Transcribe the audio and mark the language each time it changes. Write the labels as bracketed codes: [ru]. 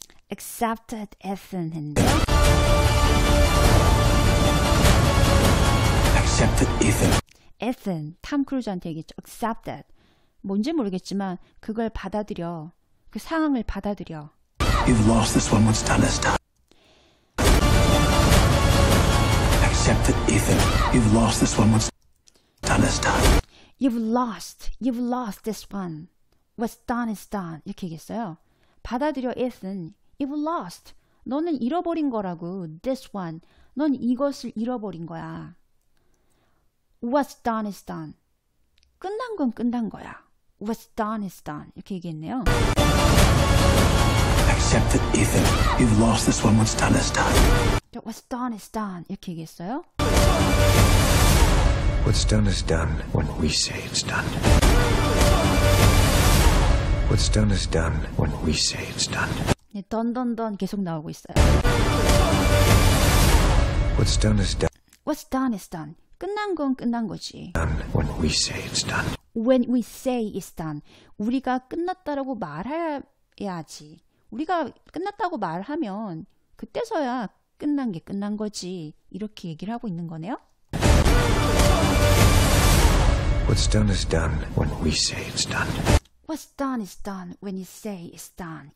[en] except at Ethan [ko] 했는데. [en] Except at Ethan. [ko] Ethan, 탐 크루즈한테 얘기했죠. [en] Accept that. [ko] 뭔지 모르겠지만 그걸 받아들여. 그 상황을 받아들여. [en] You've lost this one, what's done is done. Accept that Ethan. You've lost this one, what's done is done. You've lost this one. What's done is done. [ko] 이렇게 얘기했어요. 받아들여, Ethan. [en] You've lost. [ko] 너는 잃어버린 거라고. [en] This one. [ko] 넌 이것을 잃어버린 거야. [en] What's done is done. [ko] 끝난 건 끝난 거야. [en] What's done is done. [ko] 이렇게 얘기했네요. [en] Accept that, Ethan. You've lost this one. What's done is done. What's done is done. [ko] 이렇게 얘기했어요. [en] What's done is done when we say it's done. What's done is done when we say it's done. [ko] 네, 던던던 계속 나오고 있어요. [en] What's done is done. What's done is done. [ko] 끝난 건 끝난 거지. [en] When we say it's done. When we say it's done. [ko] 우리가 끝났다라고 말해야지. 우리가 끝났다고 말하면 그때서야 끝난 게 끝난 거지. 이렇게 얘기를 하고 있는 거네요. [en] What's done is done when we say it's done. What's done is done when you say it's done.